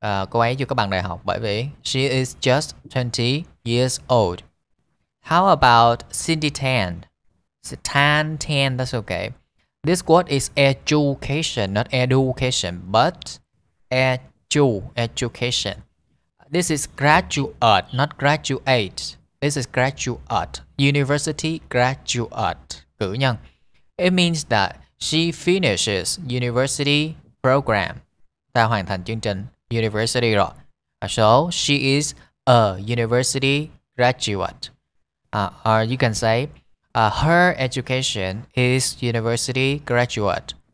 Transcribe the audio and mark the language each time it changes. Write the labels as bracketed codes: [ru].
[vi] Cô ấy chưa có bằng đại học bởi vì [en] she is just 20 years old. How about Cindy Tan? Tan, that's okay. This word is education, not education, but education. This is graduate, not graduate. This is graduate, university graduate, cử nhân. It means that she finishes university program. [vi] Đã hoàn thành chương trình university rồi. [en] So she is a university graduate. Or you can say, her education is university graduate.